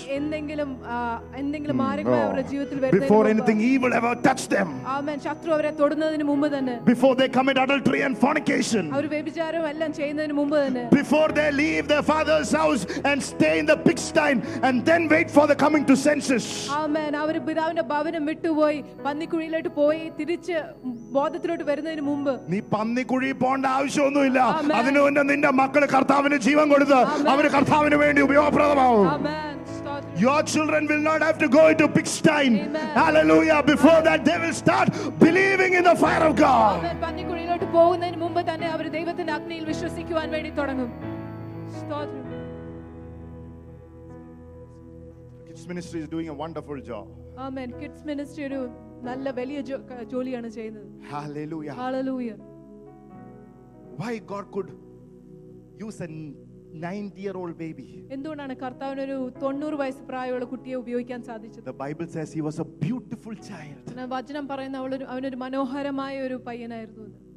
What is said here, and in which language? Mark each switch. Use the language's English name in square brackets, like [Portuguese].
[Malayalam] എന്തെങ്കിലും എന്തെങ്കിലും മാറ്റങ്ങൾ അവരുടെ ജീവിതത്തിൽ വരുന്നതിന് [English] before anything evil ever touch them [Malayalam] ആമേൻ ശത്രു അവരെ തൊടുന്നതിനു മുമ്പ് തന്നെ [English] before they commit adultery and fornication [Malayalam] അവർ വ്യഭിചാരം എല്ലാം ചെയ്യുന്നതിനു മുമ്പ് തന്നെ [English] before they leave their father's house and stay in the pigsty and then wait for the coming to senses [Malayalam] ആമേൻ അവർ പിതാവിന്റെ ഭവനം വിട്ടു പോയി പന്നിക്കുഴിയിലേക്ക് പോയി തിരിച്ചു ബോധത്തിലോട്ട് വരുന്നതിനു മുമ്പ് നീ പന്നിക്കുഴി പോണ്ട ആവശ്യമൊന്നുമില്ല അതിനുമുന്ന നിന്റെ മക്കളെ കർത്താവ് അവനെ ജീവൻ കൊടുത്ത് അവനെ കർത്താവിന് വേണ്ടി ഉപയോഗപ്രദമാവും ആമേൻ [English] your children will not have to go to pigsty hallelujah before that they will start believing in the fire of God [Malayalam] ആമേൻ പന്നിക്കുഴിയിലോട്ട് പോകുന്നതിന് മുമ്പ് തന്നെ അവർ ദൈവത്തിന്റെ അഗ്നിയിൽ വിശ്വസിക്കുവാൻ വേണ്ടി തുടങ്ങും സ്തോത്രം [English] kids ministry is doing a wonderful job [Malayalam] amen kids ministry ഒരു നല്ല വലിയ ജോലിയാണ് ചെയ്യുന്നത് hallelujah hallelujah [English] Why God could use a 90-year-old baby. [Malayalam] എന്തുകൊണ്ടാണ് കർത്താവിന് ഒരു 90 വയസ്സ് പ്രായമുള്ള കുട്ടിയെ ഉപയോഗിക്കാൻ സാധിച്ചത്? [English] The Bible says he was a beautiful child. [Malayalam] വചനം പറയുന്ന അവനൊരു മനോഹരമായ ഒരു പയ്യനായിരുന്നു.